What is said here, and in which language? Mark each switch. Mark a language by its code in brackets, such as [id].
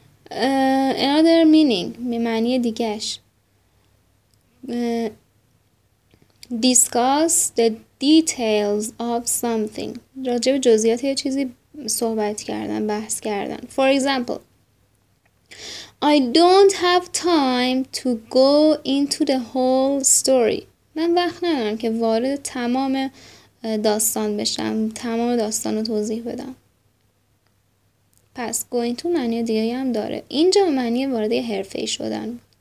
[en] Another meaning. [fa] معنی دیگهش. [en] Discuss the details of something. [fa] راجع به جزئیات یه چیزی صحبت کردن. بحث کردن. [en] For example. I don't have time to go into the whole story. [fa] من وقت ندارم که وارد تمام داستان بشم، تمام داستان رو توضیح بدم. پس go into معنی دیگه هم داره. اینجا معنی وارد حرفه ای شدن.